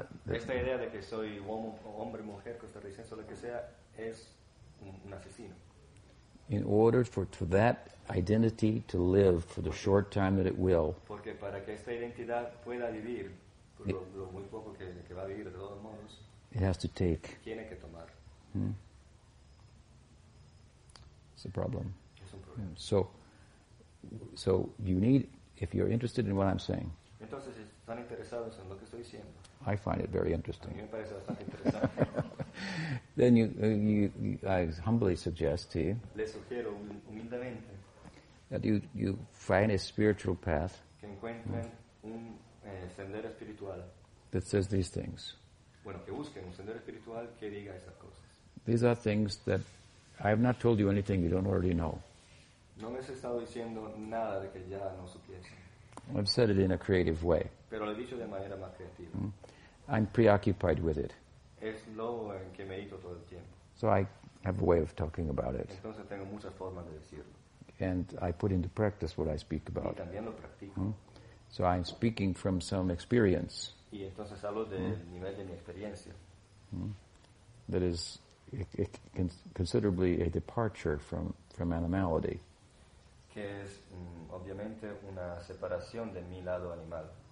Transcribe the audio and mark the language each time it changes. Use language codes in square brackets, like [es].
[es] esta idea de que soy hombre, mujer, costarricense, o lo que sea, es un asesino. [en] In order for that identity to live for the short time that it will, [es] porque para que esta identidad pueda vivir por lo muy poco que va a vivir, de todos modos, [en] it has to take. [es] Tiene que tomar. [en] It's a problem. [es] Es un problema. [en] So you need, if you're interested in what I'm saying. [es] Entonces, ¿están interesados en lo que estoy diciendo? [en] I find it very interesting. [es] A mí me parece bastante interesante. [en] Then I humbly suggest to you, [es] le sugiero humildemente, [en] that you find a spiritual path, [es] que encuentren un sendero espiritual, [en] that says these things. [es] Bueno, que busquen un sendero espiritual que diga esas cosas. [en] These are things that I have not told you anything you don't already know. [es] No les he estado diciendo nada de que ya no supiese. [en] I've said it in a creative way. [es] Pero lo he dicho de manera más creativa. [en] I'm preoccupied with it. [es] Es lo en que medito todo el tiempo. [en] So I have a way of talking about it. [es] Entonces tengo muchas formas de decirlo. [en] And I put into practice what I speak about. [es] Y también lo practico. [en] So I'm speaking from some experience. [es] Y entonces hablo del nivel de mi experiencia. [en] That is considerably a departure from animality. [es] Que es obviamente una separación de mi lado animal.